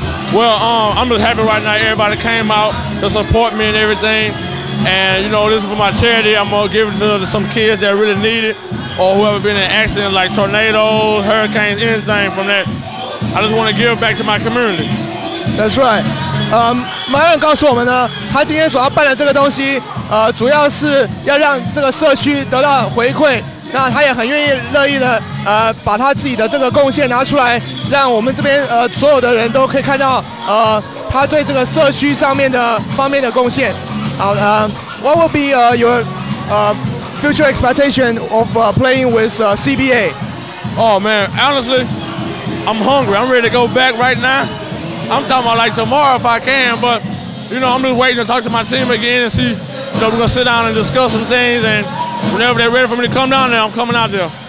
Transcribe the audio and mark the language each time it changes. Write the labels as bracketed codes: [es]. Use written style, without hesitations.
[en] Well, I'm just happy right now everybody came out to support me and everything. And, you know, this is for my charity. I'm going to give it to some kids that really need it or whoever been in an accident like tornadoes, hurricanes, anything from that. I just want to give back to my community. That's right. [zh] Myron 告诉我们呢，他今天所要办的这个东西，主要是要让这个社区得到回馈。那他也很愿意、乐意的，把他自己的这个贡献拿出来，让我们这边所有的人都可以看到，他对这个社区上面的方面的贡献。好， [en] What will be your future expectation of playing with CBA? Oh man, honestly, I'm hungry. I'm ready to go back right now. I'm talking about like tomorrow if I can, but you know, I'm just waiting to talk to my team again and see, you know, we're going to sit down and discuss some things, and whenever they're ready for me to come down there, I'm coming out there.